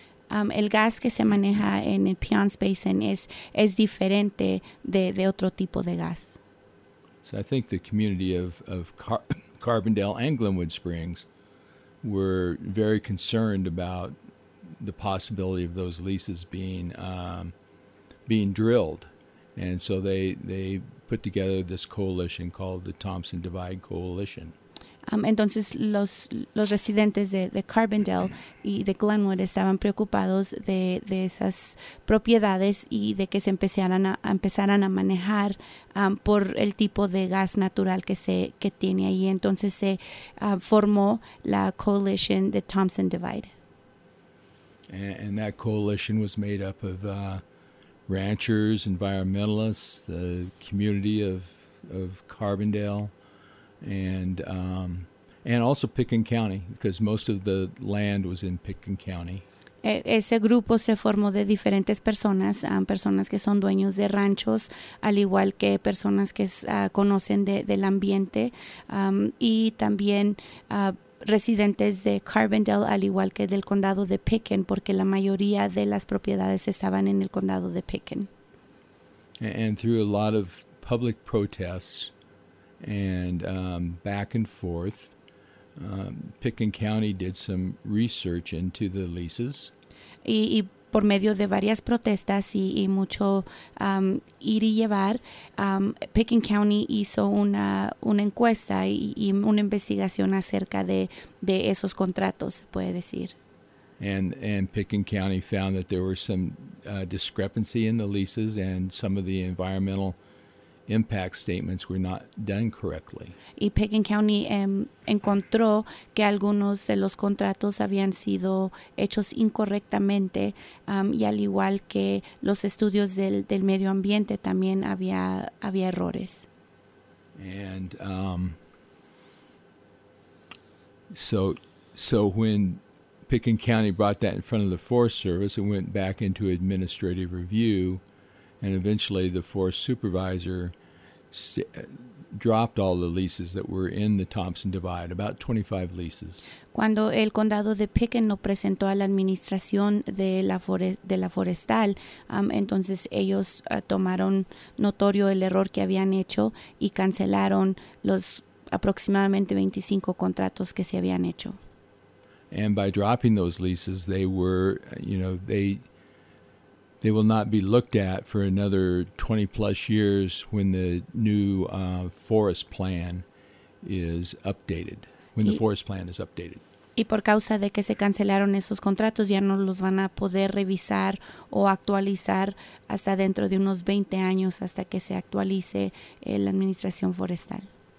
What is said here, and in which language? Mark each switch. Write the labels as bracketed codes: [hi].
[es] El gas que se maneja en el Piance Basin es diferente de otro tipo de gas. [en] So I think the community of Carbondale and Glenwood Springs were very concerned about the possibility of those leases being being drilled. And so they put together this coalition called the Thompson Divide Coalition. [es] Entonces los residentes de Carbondale y de Glenwood estaban preocupados de esas propiedades y de que se empezaran a manejar por el tipo de gas natural que tiene ahí. Entonces se formó la coalition de Thompson Divide. [en] And that coalition was made up of ranchers, environmentalists, the community of Carbondale. And also Pickens County, because most of the land was in Pickens County. [es] Ese grupo se formó de diferentes personas, personas que son dueños de ranchos, al igual que personas que conocen del ambiente, y también residentes de Carbondale, al igual que del condado de Pickens, porque la mayoría de las propiedades estaban en el condado de Pickens. [en] And through a lot of public protests and back and forth, Pickens County did some research into the leases. [es] Y por medio de varias protestas y mucho ir y llevar, Pickens County hizo una encuesta y una investigación acerca de esos contratos, se puede decir. [en] And Pickens County found that there were some discrepancy in the leases and some of the environmental impact statements were not done correctly. [es] Y Pickens County encontró que algunos de los contratos habían sido hechos incorrectamente, y al igual que los estudios del medio ambiente también había errores. [en] And so when Pickens County brought that in front of the Forest Service, it went back into administrative review, and eventually the forest supervisor dropped all the leases that were in the Thompson Divide, about 25 leases. [es] Cuando el condado de Pickens lo presentó a la administración de la forestal, entonces ellos tomaron notorio el error que habían hecho y cancelaron los aproximadamente 25 contratos que se habían hecho. [en] And by dropping those leases, they were, you know, they will not be looked at for another 20 plus years when the new forest plan is updated. The forest plan is updated. [es] Y por causa de que se cancelaron esos contratos, ya no los van a poder revisar o actualizar hasta dentro de unos 20 años hasta que se actualice la administración forestal.